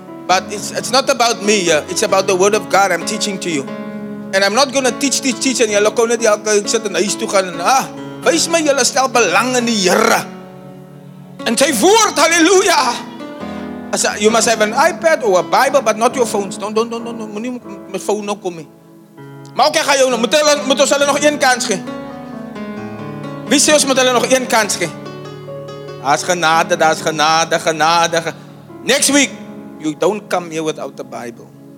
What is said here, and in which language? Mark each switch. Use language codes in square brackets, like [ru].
[en] But it's not about me. It's about the Word of God I'm teaching to you. And I'm not going to teach and you're going to go to the [af] huis toe gaan. Wees my julle stel belang in die Here. En sy woord, hallelujah. [en] You must have an iPad or a Bible, but not your phones. Don't. [af] Moet nie met phone nou kom nie. Maar oké, ga jou nou. Moet ons hulle nog een kans gee. Missies moet hulle nog een kans gee. Daar's genade, daar's genade, genade. [en] Next week, you don't come here without the Bible.